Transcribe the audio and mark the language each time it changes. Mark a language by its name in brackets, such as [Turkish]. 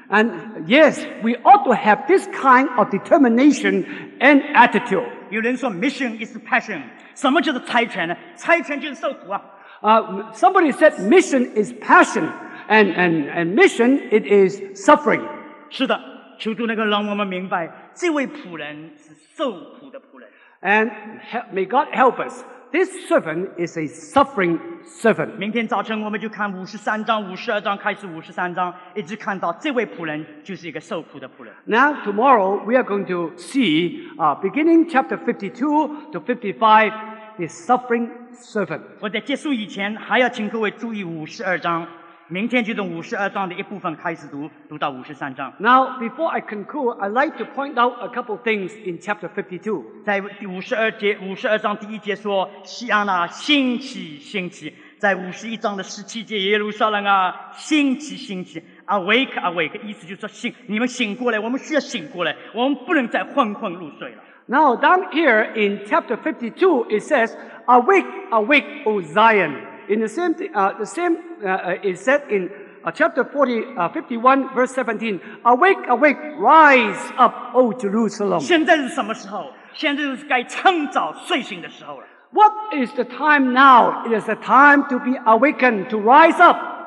[English] And yes, we ought to have this kind of determination and attitude. [Chinese] 有人说 [English] mission is passion. [Chinese] 什么叫做差遣呢？差遣就是受苦啊。 [English] Somebody said mission is passion, and mission it is suffering. [Chinese] 是的，求主能够让我们明白，这位仆人是受苦的仆人。 [English] And may God help us. This servant is a suffering servant. [Chinese] 明天早晨我们就看53章、52章，开始53章，一直看到这位仆人就是一个受苦的仆人。 [English] Now tomorrow we are going to see, beginning chapter 52 to 55, the suffering servant. [Chinese] 我在结束以前还要请各位注意52章，明天就从52章的一部分开始读，读到53章。 [English] Now before I conclude, I'd like to point out a couple things in chapter 52. [Chinese] 在52章第一节说，西安啊，兴起，兴起。在51章17节，耶路撒冷啊，兴起，兴起。 [English] Awake, awake, [Chinese] 意思就是说醒，你们醒过来，我们需要醒过来，我们不能再昏昏入睡了。 [English] Now down here in chapter 52, it says, Awake, awake, O Zion. In the same, is said in chapter 51, verse 17. Awake, awake, rise up, O Jerusalem. [Chinese] 现在是什么时候？现在就是该趁早睡醒的时候了。 [English] What is the time now? It is the time to be awakened, to rise up.